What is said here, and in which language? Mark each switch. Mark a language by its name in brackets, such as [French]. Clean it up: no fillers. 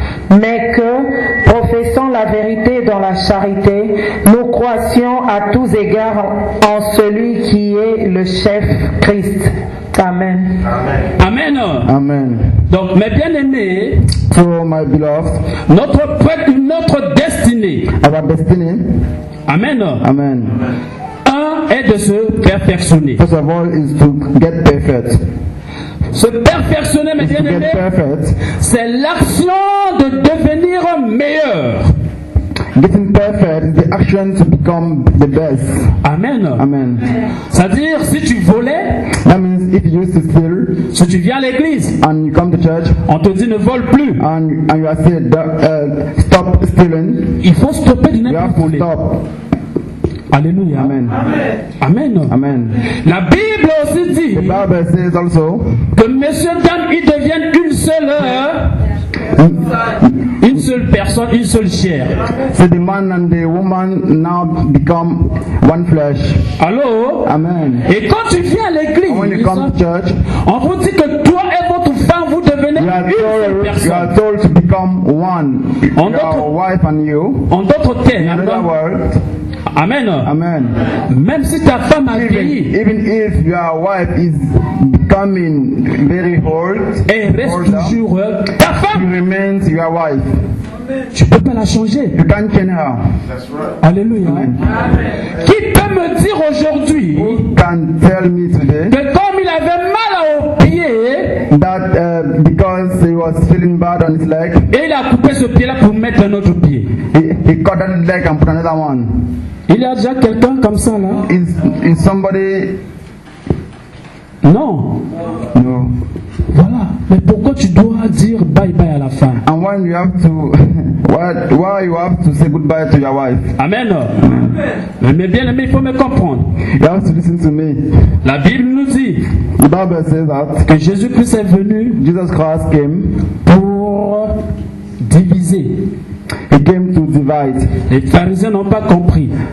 [French] Mais que, professant la vérité dans la charité, nous croissions à tous égards en celui qui est le chef, Christ. Amen. Amen. Amen. Amen. Donc, mes bien-aimés, [English] so, my beloved, [French] notre destinée, [English] our destiny, amen. Amen. [French] Un est de se perfectionner. [English] First of all, is to get perfect. [French] Se perfectionner, mes bien-aimés, c'est l'action de devenir meilleur. [English] Getting perfect is the action to become the best. Amen. Amen. [French] C'est-à-dire, si tu volais, [English] that means if you used to steal, [French] si tu viens à l'église, [English] and you come to church, [French] on te dit ne vole plus, [English] and you are said, stop stealing, [French] il faut stopper de ne plus voler. [English] Stop. [French] Alléluia. Amen. Amen. Amen. Amen. La Bible aussi dit, [English] the Bible says also, [French] que monsieur dame, ils deviennent une seule heure, une seule personne, une seule chair. [English] So the man and the woman now become one flesh. [French] Allô? Amen. Et quand tu viens à l'église, [English] when you come to church, [French] on vous dit que toi et votre femme, vous devenez une seule personne. [English] You are told to become one. [French] En [English] your wife and you. [French] En d'autres termes, [English] in another word, amen. Amen. [French] Même si ta femme a vieilli, [English] even if your wife is becoming very old, [French] elle reste toujours ta femme. [English] She remains your wife. [French] Tu peux pas la changer. [English] You can't change her. [French] Alléluia. Amen. Amen. Qui peut me dire aujourd'hui, [English] who can tell me today, [French] que comme il avait mal au pied, [English] that because he was feeling bad on his leg, [French] et il a coupé ce pied là pour mettre un autre pied. [English] He cut that leg and put another one. [French] Il y a déjà quelqu'un comme ça là? [English] Is somebody? [French] Non. [English] No. [French] Voilà. Mais pourquoi tu dois dire bye bye à la femme? [English] And when you have to, why you have to say goodbye to your wife? Amen. Amen. [French] Mais bien aimé, il faut me comprendre. [English] You have to listen to me. [French] La Bible nous dit, [English] the Bible says that, [French] que Jésus Christ est venu, [English] Jesus Christ came, [French] pour diviser. [English] He came to divide. [French] Les pharisiens n'ont pas compris.